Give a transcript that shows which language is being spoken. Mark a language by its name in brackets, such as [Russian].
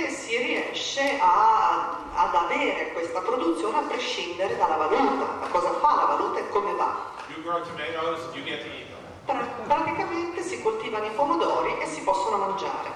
[Italian] riesce a, ad avere questa produzione a prescindere dalla valuta. Ma cosa fa la valuta e come va? [English] You grow tomatoes, you get to eat them. [Italian] Praticamente si coltivano i pomodori e si possono mangiare.